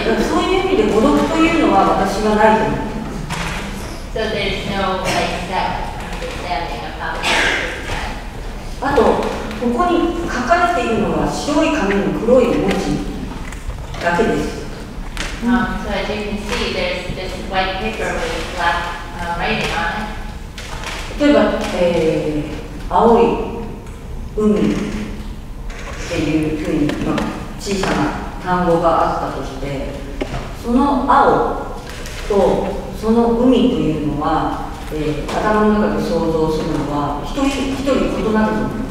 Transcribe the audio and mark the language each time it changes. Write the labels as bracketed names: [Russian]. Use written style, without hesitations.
[Japanese] そういう意味で孤独というのは私はない。 [English] So there's no like set understanding of how to do that. [Japanese] あとここに書かれているのは白い紙の黒い文字だけです。 [English] So as you can see, there's this white paper with black writing on it. [Japanese] 例えば、青い海っていうふうに小さな単語があったとして、その青とその海というのは、頭の中で想像するのは一人一人異なると思う。